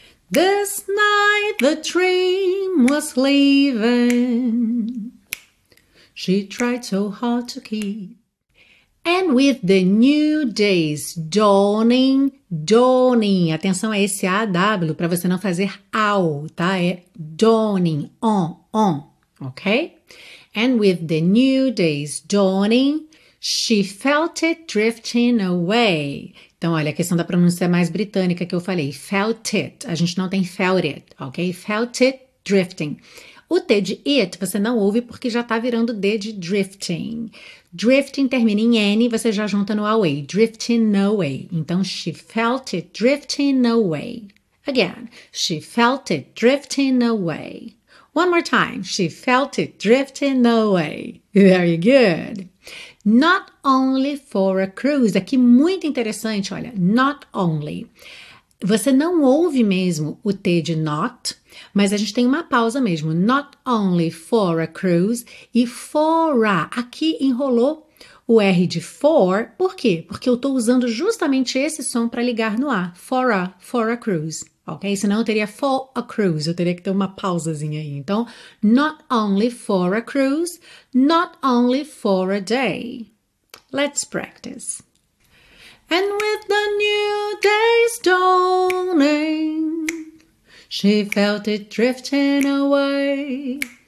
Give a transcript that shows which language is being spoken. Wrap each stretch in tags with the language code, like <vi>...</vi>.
<en>This night the dream was leaving. She tried so hard to keep. And with the new days dawning, dawning.</en> <pt>Atenção a esse AW para você não fazer ao, tá?</pt> <en>É dawning, on, ok? And with the new days dawning, she felt it drifting away.</en> <pt>Então, olha, a questão da pronúncia mais britânica que eu falei.</pt> <en>Felt it.</en> <pt>A gente não tem felt it, ok?</pt> <en>Felt it drifting.</en> <pt>O T de it você não ouve porque já tá virando D de drifting. Drifting termina em N, você já junta no away.</pt> <en>Drifting away. Então, she felt it drifting away. Again, she felt it drifting away. One more time. She felt it drifting away. Very good. Not only for a cruise.</en> <pt>Aqui muito interessante, olha.</pt> <en>Not only.</en> <pt>Você não ouve mesmo o T de not, mas a gente tem uma pausa mesmo.</pt> <en>Not only for a cruise. E for a.</en> <pt>Aqui enrolou o R de for. Por quê? Porque eu estou usando justamente esse som para ligar no A.</pt> <en>For a cruise.</en> <pt>Ok? Senão eu teria</pt> <en>for a cruise,</en> <pt>eu teria que ter uma pausazinha aí.</pt> <en>Então, not only for a cruise, not only for a day. Let's practice. And with the new day's dawning, she felt it drifting away.</en>